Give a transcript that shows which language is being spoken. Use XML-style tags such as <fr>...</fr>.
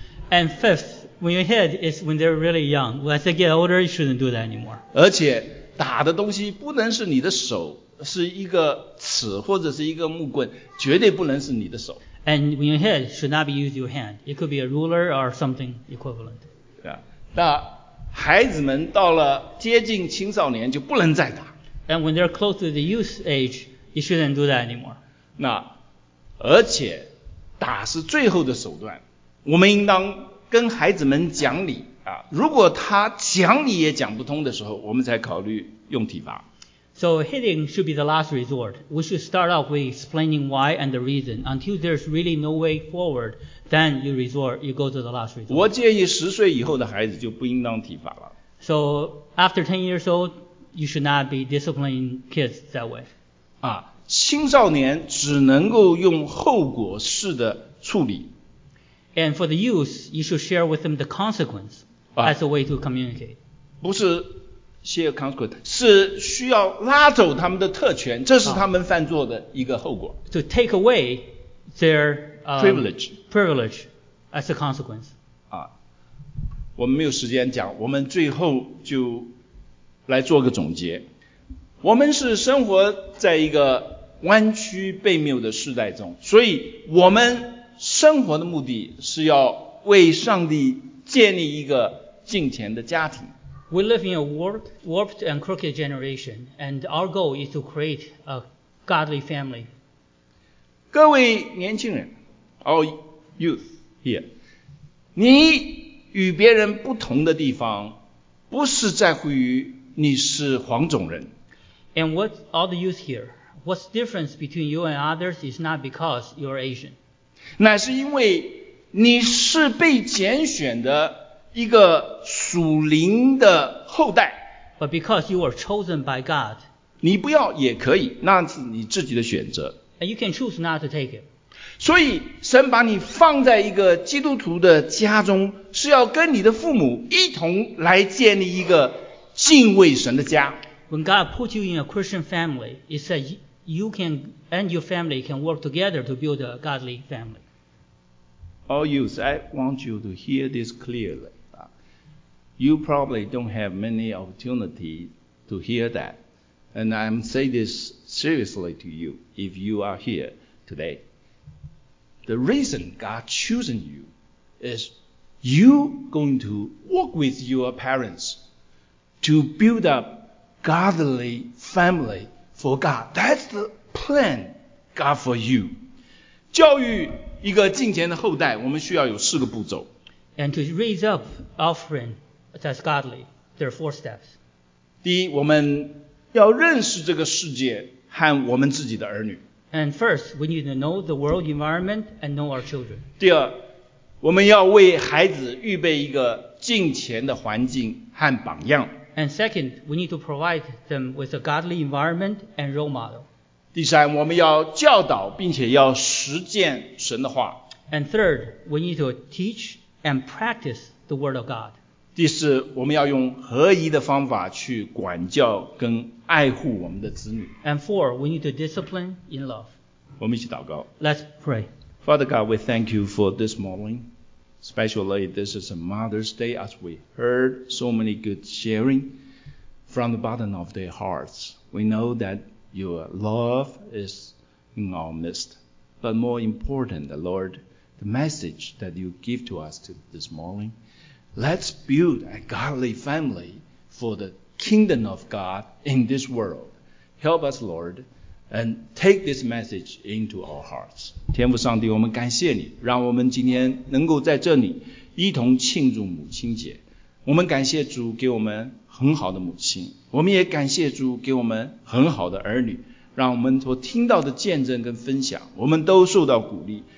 <en>And fifth, when you hit is when they're really young. When they get older, you shouldn't do that anymore.</en> <zh>而且打的东西不能是你的手，是一个尺或者是一个木棍，绝对不能是你的手。</zh> <en>And when you hit, should not be used your hand. It could be a ruler or something equivalent.</en> <zh>那孩子们到了接近青少年就不能再打。</zh> <en>And when they're close to the youth age, you shouldn't do that anymore.</en> <zh>那而且打是最后的手段，我们应当跟孩子们讲理啊。如果他讲理也讲不通的时候，我们才考虑用体罚。</zh> <en>So hitting should be the last resort. We should start off with explaining why and the reason. Until there's really no way forward, then you go to the last resort.</en> <zh>我建议十岁以后的孩子就不应当体罚了。</zh> <en>So after 10 years old, you should not be disciplining kids that way. 啊。</en> <zh>青少年只能够用后果式的处理。</zh> <en>And for the youth, you should share with them the consequence as a way to communicate.</en> <zh>不是</zh> <en>share consequence,</en> <zh>是需要拉走他们的特权，这是他们犯错的一个后果。</zh> <en>To take away their privilege as a consequence.</en> <zh>我们没有时间讲，我们最后就来做个总结。我们是生活在一个弯曲悖谬的时代中，所以我们生活的目的是要为上帝建立一个敬虔的家庭。</zh> <en>We live in a warped and crooked generation, and our goal is to create a godly family.</en> <zh>各位年轻人 ，</zh> <en>our youth here，</en> <zh>你与别人不同的地方，不是在乎于你是黄种人。</zh> <en>And what all the youth here, what's the difference between you and others is not because you're Asian.</en> <zh>乃是因为你是被拣选的一个属灵的后代。</zh> <en>But because you were chosen by God.</en> <zh>你不要也可以，那是你自己的选择。</zh> <en>And you can choose not to take it.</en> <zh>所以神把你放在一个基督徒的家中，是要跟你的父母一同来建立一个敬畏神的家。</zh> <en>When God put you in a Christian family, He said you can and your family can work together to build a godly family. All youth, I want you to hear this clearly. You probably don't have many opportunities to hear that. And I'm saying this seriously to you if you are here today. The reason God chosen you is you going to work with your parents to build upGodly family for God. That's the plan God for you.</en> <zh>教育一个敬虔的后代，我们需要有四个步骤。</zh> <en>And to raise up offspring that's godly, there are four steps.</en> <zh>第一，我们要认识这个世界和我们自己的儿女。</zh> <en>And first, we need to know the world environment and know our children.</en> <zh>第二，我们要为孩子预备一个敬虔的环境和榜样。</zh> <en>And second, we need to provide them with a godly environment and role model.</en> <zh>第三，我们要教导并且要实践神的话。</zh> <en>And third, we need to teach and practice the word of God.</en> <zh>第四，我们要用合宜的方法去管教跟爱护我们的子女。</zh> <en>And four, we need to discipline in love.</en> <zh>我们一起祷告。</zh> <en>Let's pray. Father God, we thank you for this morning. Especially this is a Mother's Day as we heard so many good sharing from the bottom of their hearts. We know that your love is in our midst. But more important, Lord, the message that you give to us this morning, let's build a godly family for the kingdom of God in this world. Help us, Lord. And take this message into our hearts.</en> <zh>天父上帝，我们感谢你，让我们今天能够在这里一同庆祝母亲节。我们感谢主给我们很好的母亲，我们也感谢主给我们很好的儿女，让我们所听到的见证跟分享，我们都受到鼓励，</zh>